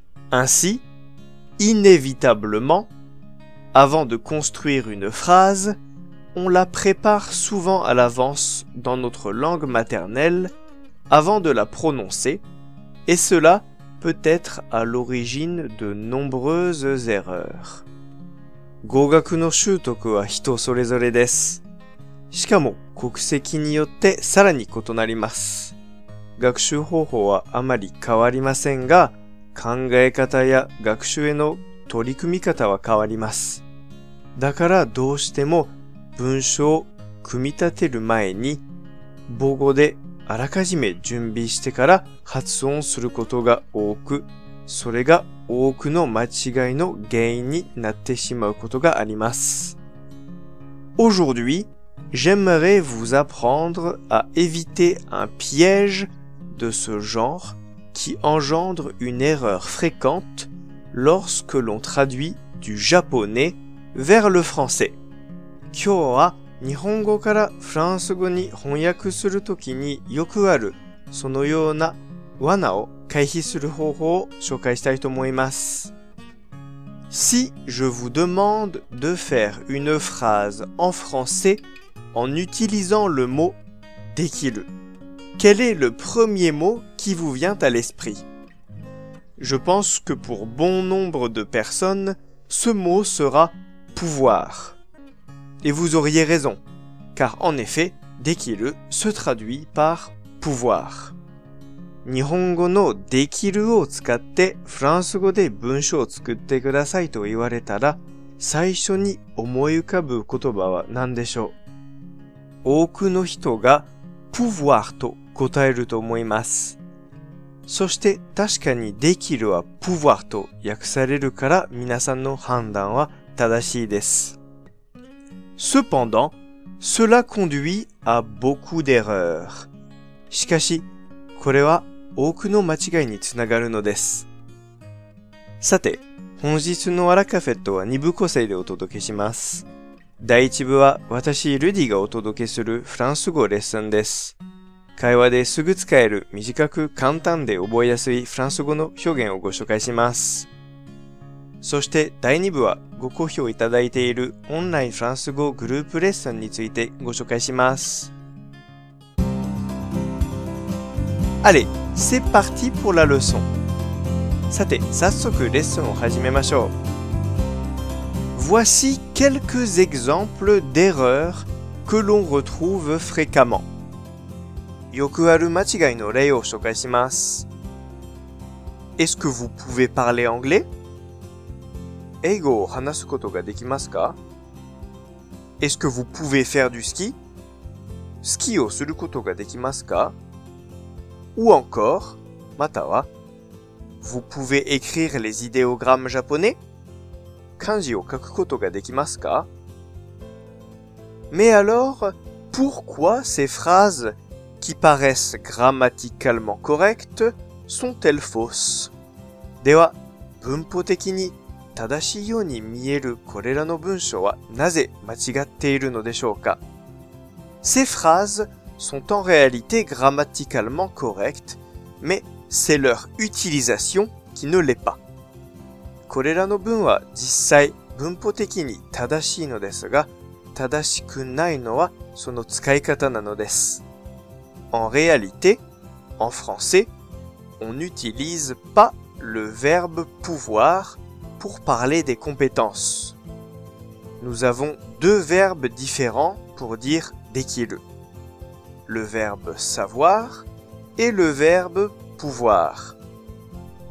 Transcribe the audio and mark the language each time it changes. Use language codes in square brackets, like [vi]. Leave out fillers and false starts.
[fr] Ainsi, inévitablement, avant de construire une phrase, on la prépare souvent à l'avance dans notre langue maternelle avant de la prononcer, et cela peut-être à l'origine de nombreuses erreurs. [ja] 語学の習得は人それぞれです。しかも国籍によってさらに異なります。学習方法はあまり変わりませんが、考え方や学習への取り組み方は変わります。だからどうしても文章を組み立てる前に、母語であらかじめ準備してから発音することが多く、それが多くの間違いの原因になってしまうことがあります。 [fr] Aujourd'hui, j'aimerais vous apprendre à éviter un piège de ce genre qui engendre une erreur fréquente lorsque l'on traduit du japonais vers le français. [ja] 今日は日本語からフランス語に翻訳するときによくあるそのような罠を回避する方法を紹介したいと思います。 [fr] Si je vous demande de faire une phrase en français en utilisant le mot できる, quel est le premier mot qui vous vient à l'esprit? Je pense que pour bon nombre de personnes, ce mot sera pouvoir. Et vous auriez raison, car en effet, できる se traduit par pouvoir. [ja] 日本語のできるを使ってフランス語で文章を作ってくださいと言われたら、最初に思い浮かぶ言葉は何でしょう？多くの人が pouvoir と答えると思います。そして確かにできるは pouvoir と訳されるから皆さんの判断は正しいです。 [fr] Cependant, cela conduit à beaucoup d'erreurs. [ja] しかし、これは多くの間違いにつながるのです。さて、本日のアラカフェットは2部構成でお届けします。第1部は私、ルディがお届けするフランス語レッスンです。会話ですぐ使える短く簡単で覚えやすいフランス語の表現をご紹介します。そして第2部はご好評いただいているオンラインフランス語グループレッスンについてご紹介します。 [fr] Allez, c'est parti pour la leçon! [ja] さて、早速レッスンを始めましょう。 [fr] Voici quelques exemples d'erreurs que l'on retrouve fréquemment. [ja] よくある間違いの例を紹介します。 [fr] Est-ce que vous pouvez parler anglais? [ja] 英語を話すことができますか? [fr] Est-ce que vous pouvez faire du ski? [ja] スキーをすることができますか? [fr] Ou encore, [ja] または、 [fr] vous pouvez écrire les idéogrammes japonais? [ja] 漢字を書くことができますか? [fr] Mais alors, pourquoi ces phrases qui paraissent grammaticalement correctes sont-elles fausses? [ja] では、文法的に正しいように見えるこれらの文章はなぜ間違っているのでしょうか? [fr] Ces phrases sont en réalité grammaticalement correctes, mais c'est leur utilisation qui ne l'est pas. [ja] これらの文は実際文法的に正しいのですが、正しくないのはその使い方なのです。 [fr] En réalité, en français, on n'utilise pas le verbe pouvoir pour parler des compétences. nous avons deux verbes différents pour dire « できる ». Le verbe « savoir » et le verbe « pouvoir ».